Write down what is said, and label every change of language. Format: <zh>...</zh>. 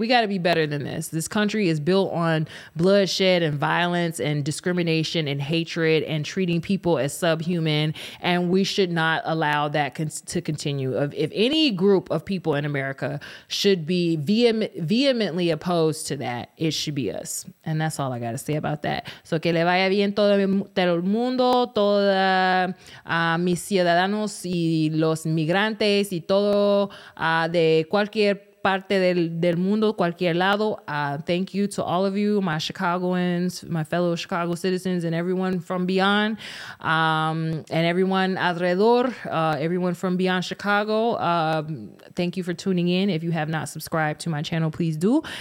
<en>We got to be better than this. This country is built on bloodshed and violence and discrimination and hatred and treating people as subhuman, and we should not allow that to continue. If any group of people in America should be vehemently opposed to that, it should be us. And that's all I got to say about that.</en> <es>So que le vaya bien todo el mundo, toda mis ciudadanos y los migrantes y todo de cualquier parte del mundo, cualquier lado.</es> <en>Thank you to all of you, my Chicagoans, my fellow Chicago citizens, and everyone from beyond, and everyone</en> <es>alrededor,</es> <en>everyone from beyond Chicago. Thank you for tuning in. If you have not subscribed to my channel, please do.</en>